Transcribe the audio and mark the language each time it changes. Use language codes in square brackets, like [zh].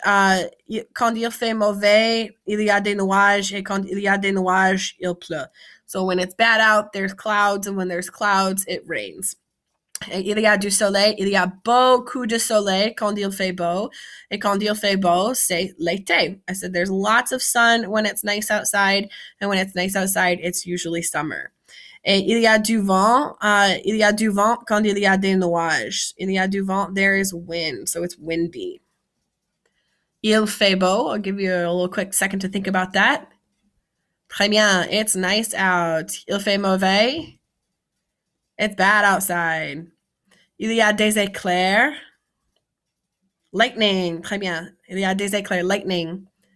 [fr] Quand il fait mauvais, il y a des nuages. Et quand il y a des nuages, il pleut. [en] So, when it's bad out, there's clouds. And when there's clouds, it rains. [fr] Il y a du soleil, il y a beaucoup de soleil quand il fait beau. Et quand il fait beau, c'est l'été. [en] I said there's lots of sun when it's nice outside. And when it's nice outside, it's usually summer. [fr] Et il y a du vent. Il y a du vent quand il y a des nuages. Il y a du vent, [en] there is wind. So it's windy. [fr] Il fait beau. [en] I'll give you a little quick second to think about that. [fr] Très bien. [en] It's nice out. [fr] Il fait mauvais. [en] It's bad outside. [fr] Il y a des éclairs. Lightning. Très bien. Il y a des éclairs. Lightning.